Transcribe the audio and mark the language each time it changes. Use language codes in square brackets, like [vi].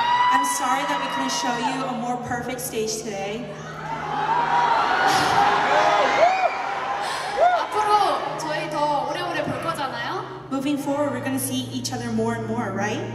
[en] I'm sorry that we couldn't show you a more perfect stage today. [ko] 앞으로 저희 더 오래오래 볼 거잖아요. [en] Moving forward, we're gonna see each other more and more, right?